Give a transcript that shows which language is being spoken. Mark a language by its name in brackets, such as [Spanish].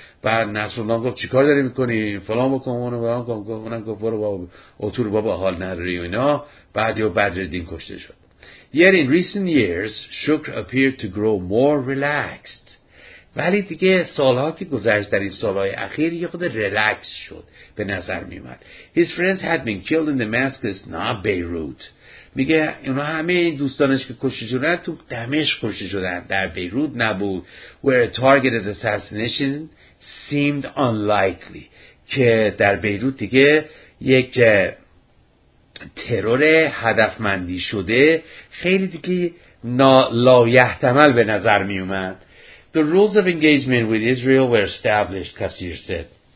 [Persian] بعد نصرالله گفت چی کار داری میکنی؟ فلان بکن اونو بران کن کن اونم گفت برو بابا اتور بابا حال نداری و اینا. بعد یه بدرالدین کشته شد. [English] Yet in recent years Shukr appeared to grow more relaxed. [Persian] ولی دیگه سالها که گذشت در این سالهای اخیر یه خود ریلکس شد به نظر می اومد. [English] His friends had been killed in Damascus, not Beirut. [Persian] میگه اونا همه این دوستانش که کشته شدن تو دمشق کشته شدن، در بیروت نبود. [English] Where a targeted assassination seemed unlikely. [Persian] که در بیروت دیگه یک ترور هدفمندی شده خیلی دیگه لایحتمل به نظر می اومد. [English] The rules of engagement with Israel were established, Kassir said.